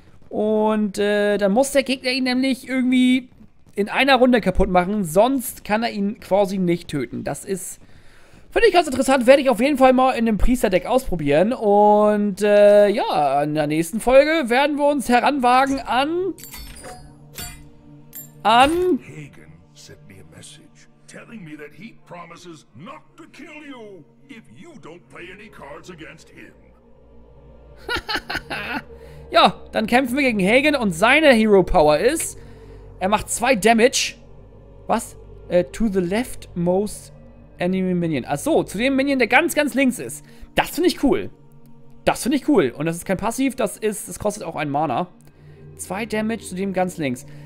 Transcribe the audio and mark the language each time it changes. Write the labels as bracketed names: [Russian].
[German] Und dann muss der Gegner ihn nämlich irgendwie in einer Runde kaputt machen. Sonst kann er ihn quasi nicht töten. Das ist, finde ich ganz interessant. Werde ich auf jeden Fall mal in dem Priester-Deck ausprobieren. Und ja, in der nächsten Folge werden wir uns heranwagen an... An... [English] Hagen sent me a message, telling me that he promises not to kill you if you don't play any cards against him. [German] Ja, dann kämpfen wir gegen Hagen und seine Hero-Power ist... Er macht 2 Damage. Was? [English] To the leftmost enemy Minion. [German] Achso, zu dem Minion, der ganz, ganz links ist. Das finde ich cool. Das finde ich cool. Und das ist kein Passiv, das ist, das kostet auch einen Mana. 2 Damage zu dem ganz links.